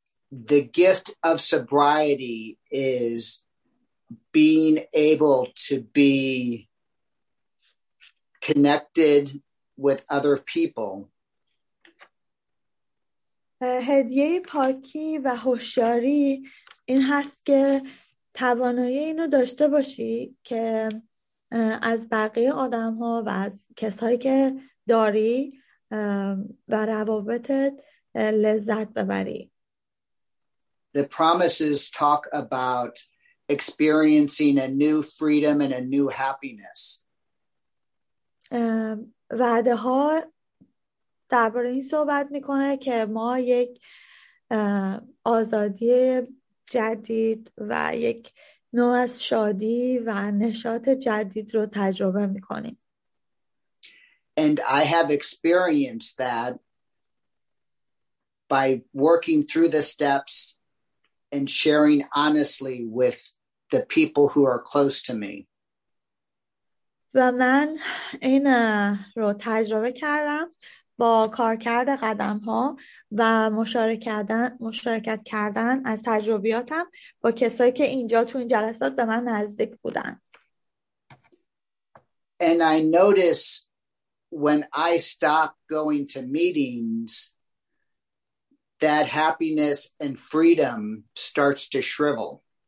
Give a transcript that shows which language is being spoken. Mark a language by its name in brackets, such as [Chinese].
[English] The gift of sobriety is being able to be connected with other people. [Persian] هدیه پاکی و هوشیاری این هست که توانایی اینو داشته باشی که از بقیه آدم ها و از کسایی که داری و روابطت لذت ببری. [English] The promises talk about experiencing a new freedom and a new happiness. [Persian] وعده ها درباره این صحبت میکنه که ما یک آزادی جدید و یک نوع از شادی و نشاط جدید رو تجربه میکنیم. [English] And I have experienced that by working through the steps and sharing honestly with the people who are close to me. [Persian] و من این رو تجربه کردم با کارکرد قدم ها و مشارکت کردن از تجربیاتم با کسایی که اینجا تو این جلسات به من نزدیک بودن. [English] And I notice when I stop going to meetings that happiness and freedom starts to shrivel.